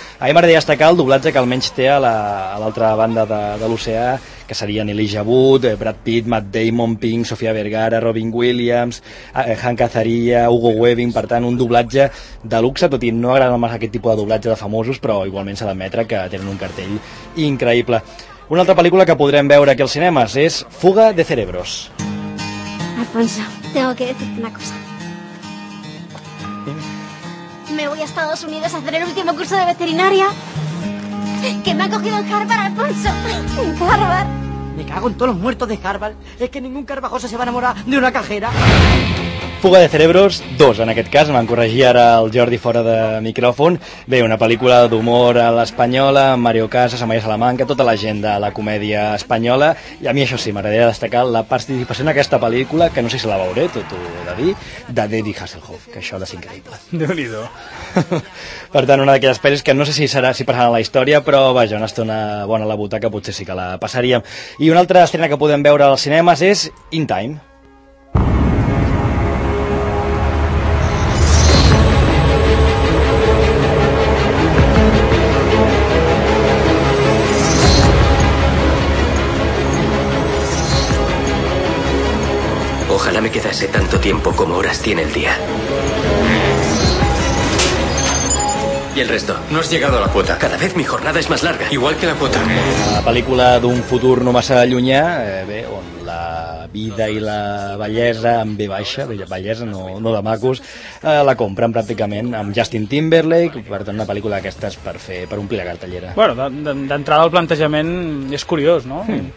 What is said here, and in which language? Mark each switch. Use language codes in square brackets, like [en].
[ca] A mi m'agradaria destacar el doblatge que almenys té a l'altra banda de l'oceà, que serien Elijah Wood, Brad Pitt, Matt Damon, Pink, Sofia Vergara, Robin Williams, Hank Azaria, Hugo Weaving. Per tant, un doblatge de luxe, tot i no agrada massa aquest tipus de doblatge de famosos, però igualment s'ha d'admetre que tenen un cartell increïble. Una altra pel·lícula que podrem veure aquí als cinemes és Fuga de Cerebros. [es] Alfonso, tengo que decirte una cosa. Me voy a Estados Unidos a hacer el último curso de veterinaria que me ha cogido en Harvard, Alfonso. En Harvard. Me cago en todos los muertos de Harvard. Es que ningún carvajoso se va a enamorar de una cajera. [ca] Fuga de Cerebros 2, en aquest cas, m'han corregit ara el Jordi fora de micròfon. Bé, una pel·lícula d'humor a l'espanyola, Mario Casas, Amaya Salamanca, tota la gent de la comèdia espanyola. I a mi això sí, m'agradaria destacar la participació en aquesta pel·lícula, que no sé si la veuré, tot ho he de dir, de David Hasselhoff, que això ha de ser increïble. Déu-n'hi-do. Per tant, una d'aquelles pel·lis que no sé si serà, si passarà a la història, però vaja, una estona bona a la butaca, potser sí que la passaríem. I una altra estrena que podem veure als cinemes és In Time. [es] Ojalá me quedase tanto tiempo como horas tiene el día. ¿Y el resto? No has llegado a la cuota. Cada vez mi jornada es más larga. Igual que la cuota. [ca] La pel·lícula d'un futur no massa llunyà, bé, on la vida i la bellesa amb B baixa, bellesa, no de macos, la compren pràcticament amb Justin Timberlake. Per tant, una pel·lícula d'aquestes per omplir la cartellera. Bueno, d'entrada el plantejament és curiós, no? Sí.